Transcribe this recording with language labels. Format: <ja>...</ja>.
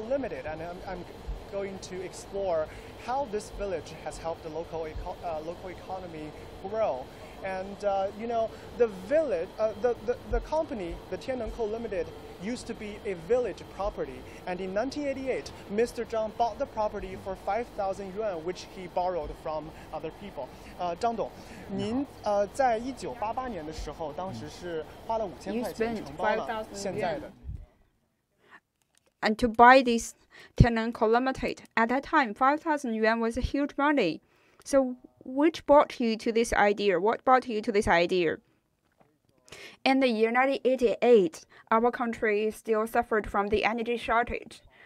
<en>Limited, and I'm going to explore how this village has helped the local economy grow. And you know, the village, the company, the Tianneng Co. Limited, used to be a village property. And in 1988, Mr. Zhang bought the property for 5,000 yuan, which he borrowed from other people.</en> <zh>Zhang Dong, Nin, 1988年的时候, 当时是花了5,000块钱承包了现在的.</zh> <en>And to buy this Tianneng Co. Limited, at that time, 5,000 yuan was a huge money. So which brought you to this idea? What brought you to this idea? In the year 1988, our country still suffered from the energy shortage.</en>